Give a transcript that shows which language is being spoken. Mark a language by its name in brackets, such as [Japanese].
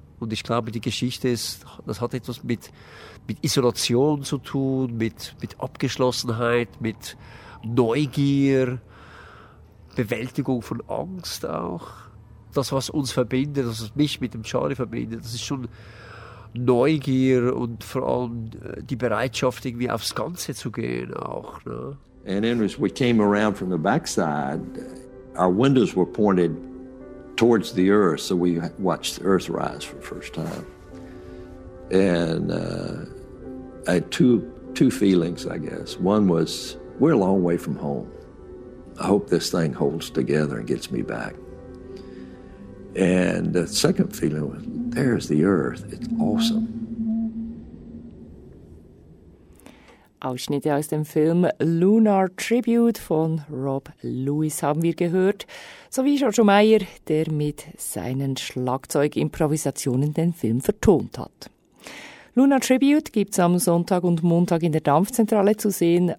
[German] Und ich glaube, die Geschichte ist, das hat etwas mit Isolation zu tun, mit Abgeschlossenheit, mit Neugier, Bewältigung von Angst auch. Das, was uns verbindet, das, was mich mit dem Charlie verbindet, das ist schon Neugier und vor allem die Bereitschaft, irgendwie aufs Ganze zu gehen auch. Ne? [English] And then as we came around from the backside, our windows were pointed towards the earth, so we watched the earth rise for the first time. And I had two feelings, I guess. One was, we're a long way from home. I hope this thing holds together and gets me back. And the second feeling was, there's the earth. It's awesome. [German] Ausschnitte aus dem Film Lunar Tribute von Rob Lewis haben wir gehört, sowie George Meyer, der mit seinen Schlagzeugimprovisationen den Film vertont hat. Lunar Tribute gibt's am Sonntag und Montag in der Dampfzentrale zu sehen.